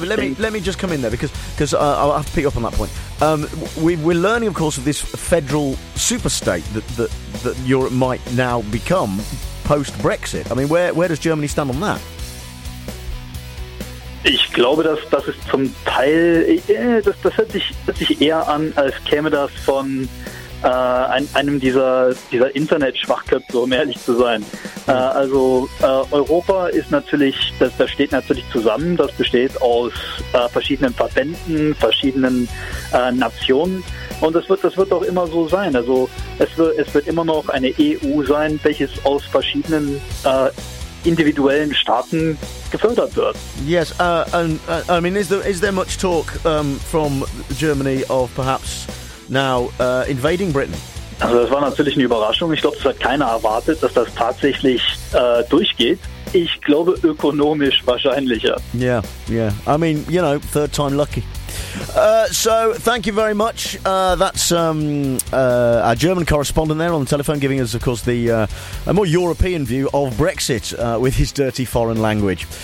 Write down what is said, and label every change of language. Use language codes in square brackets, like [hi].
[en] But let me just come in there because I'll have to pick up on that point. We're learning, of course, of this federal superstate that Europe might now become post Brexit. I mean, where does Germany stand on that? [de] Ich glaube, das ist zum Teil, das hört sich eher an, als käme das von einem dieser Internet-Schwachköpfe, um ehrlich zu sein. Europa ist natürlich, das steht natürlich zusammen, das besteht aus verschiedenen Verbänden, verschiedenen Nationen. Und das wird auch immer so sein. Also es wird immer noch eine EU sein, welches aus verschiedenen individuellen Staaten gefördert wird. [en] Yes, I mean, is there much talk from Germany of perhaps now invading Britain? [de] Also das war natürlich eine Überraschung. Ich glaube, das hat keiner erwartet, dass das tatsächlich durchgeht. Ich glaube, ökonomisch wahrscheinlicher. [en] Yeah, yeah. I mean, you know, third time lucky. So, thank you very much. That's our German correspondent there on the telephone, giving us, of course, the a more European view of Brexit with his dirty foreign language.